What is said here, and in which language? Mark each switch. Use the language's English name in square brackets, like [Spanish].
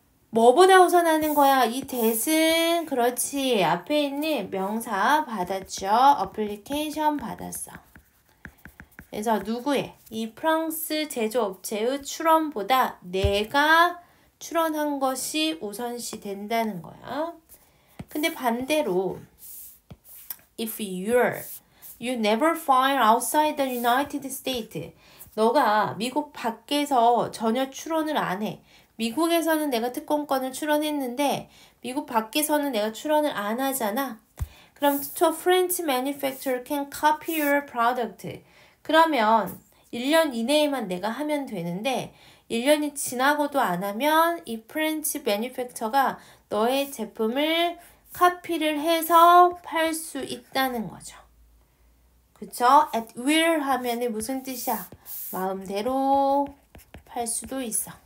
[Korean] 뭐보다 우선하는 거야? 이 that은 그렇지. 앞에 있는 명사 받았죠. application 받았어. 그래서 누구의? 이 프랑스 제조업체의 출원보다 내가 출원한 것이 우선시 된다는 거야. 근데 반대로 [English] if you never file outside the United States. [Korean] 너가 미국 밖에서 전혀 출원을 안 해. 미국에서는 내가 특권권을 출원했는데 미국 밖에서는 내가 출원을 안 하잖아. 그럼 [English] to a French manufacturer can copy your product. [Korean] 그러면 1년 이내에만 내가 하면 되는데 1년이 지나고도 안 하면 이 French manufacturer가 너의 제품을 카피를 해서 팔수 있다는 거죠. 그쵸? [English] At will [Korean] 하면은 무슨 뜻이야? 마음대로 팔 수도 있어.